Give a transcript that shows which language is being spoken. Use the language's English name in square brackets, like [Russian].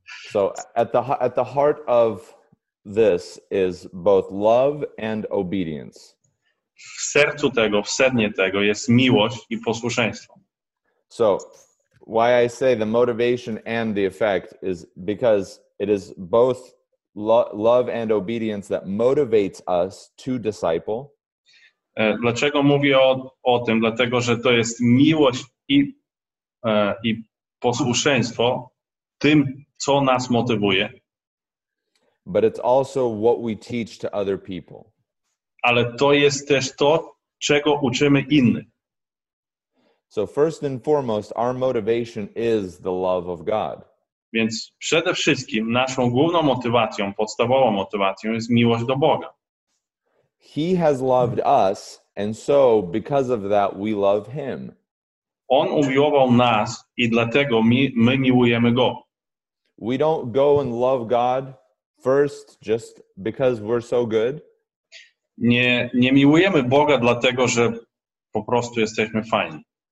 [English] So at the heart of this is both love and obedience. [Polish] W sercu tego, w sednie tego jest miłość i posłuszeństwo. [English] So why I say the motivation and the effect is because it is both love and obedience that motivates us to disciple. [Polish] Dlaczego mówię o tym? Dlatego, że to jest miłość i posłuszeństwo tym, co nas motywuje. [English] But it's also what we teach to other people. [Polish] Ale to jest też to, czego uczymy innych. [English] So first and foremost, our motivation is the love of God. [Polish] Więc przede wszystkim naszą główną motywacją, podstawową motywacją jest miłość do Boga. [English] He has loved us, and so because of that we love him. [Polish] On umiłował nas i dlatego my miłujemy go. [English] We don't go and love God first just because we're so good. [Polish] Nie miłujemy Boga dlatego, że po prostu jesteśmy fajni.